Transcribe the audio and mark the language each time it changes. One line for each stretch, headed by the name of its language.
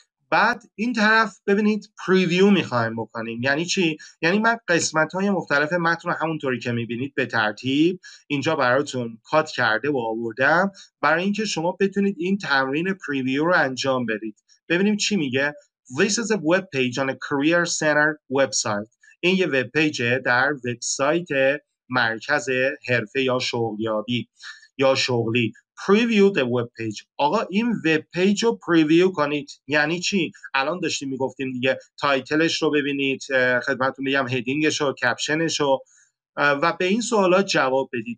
Persian: بعد این طرف ببینید پریویو میخوایم بکنیم. یعنی چی؟ یعنی من قسمت های مختلف متن رو همونطوری که میبینید به ترتیب اینجا براتون کات کرده و آوردم برای اینکه شما بتونید این تمرین پریویو رو انجام بدید. ببینیم چی میگه.
English: This is a web page on a career center website.
Persian: این یه وب پیج در وبسایت مرکز حرفه یا شغلیابی یا شغلی.
English: Preview the web page.
Persian: آقا این وب پیج رو پریویو کنید. یعنی چی؟ الان داشتیم میگفتیم دیگه تایتلش رو ببینید، خدمتتون میگم هدینگش رو، کپشنش رو و به این سوالات جواب بدید.